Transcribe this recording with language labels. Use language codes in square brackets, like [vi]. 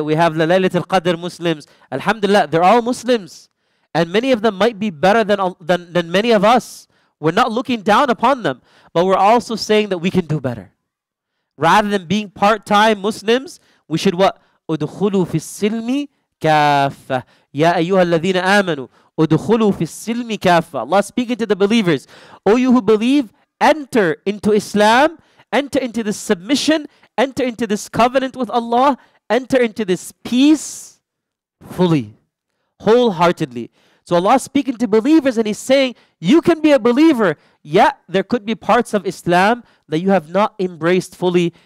[en] We have the Laylatul Qadr Muslims. Alhamdulillah, they're all Muslims. And many of them might be better than many of us. We're not looking down upon them. But we're also saying that we can do better. Rather than being part-time Muslims, we should what? [ar] أُدْخُلُوا فِي السِّلْمِ كافة. يا أيها الذين آمنوا ادخلوا في السلم كافة. [en] Allah speaking to the believers, O you who believe, enter into Islam, enter into this submission, enter into this covenant with Allah, enter into this peace fully, wholeheartedly. So Allah is speaking to believers and He's saying, you can be a believer, yet there could be parts of Islam that you have not embraced fully.